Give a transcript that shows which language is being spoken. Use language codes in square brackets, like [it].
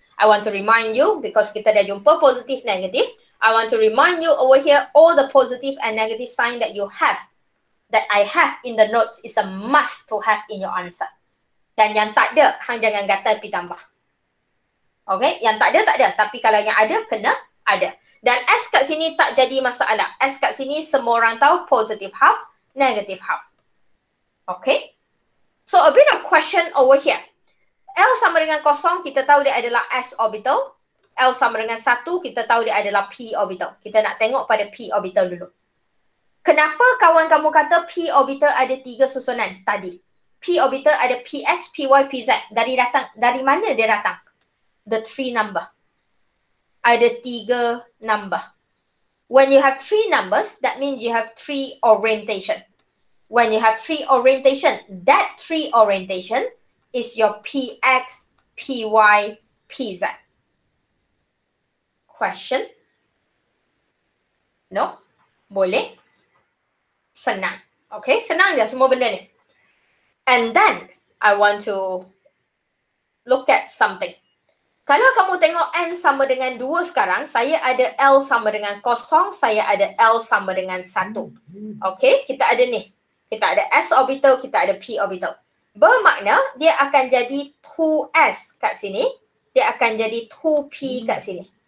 [en] I want to remind you, [ms] because kita dah jumpa positif negatif, [en] I want to remind you over here, all the positive and negative sign that you have, that I have in the notes, is a must to have in your answer. [ms] Dan yang tak ada, hang jangan gatal pergi tambah. Okay, yang tak ada, tak ada. Tapi kalau yang ada, kena ada. Dan S kat sini tak jadi masalah. S kat sini semua orang tahu [en] positive half, negative half. [ms] Okay? [en] So a bit of question over here. [ms] L sama dengan kosong, kita tahu dia adalah S orbital. L sama dengan 1, kita tahu dia adalah P orbital. Kita nak tengok pada P orbital dulu. Kenapa kawan kamu kata P orbital ada 3 susunan tadi? P orbital ada PX, PY, PZ. Dari datang, dari mana dia datang? [en] The 3 number. Ada 3 number. When you have 3 numbers, that means you have 3 orientation. When you have 3 orientation, that 3 orientation is your PX, PY, PZ. Question? [ms] No? Boleh? Senang. Okay, senang je semua benda ni. [en] And then, I want to look at something. [ms] Kalau kamu tengok N sama dengan 2 sekarang, saya ada L sama dengan 0, saya ada L sama dengan 1. Okay, kita ada ni. Kita ada S orbital, kita ada P orbital. Bermakna, dia akan jadi 2S kat sini. Dia akan jadi 2P kat sini.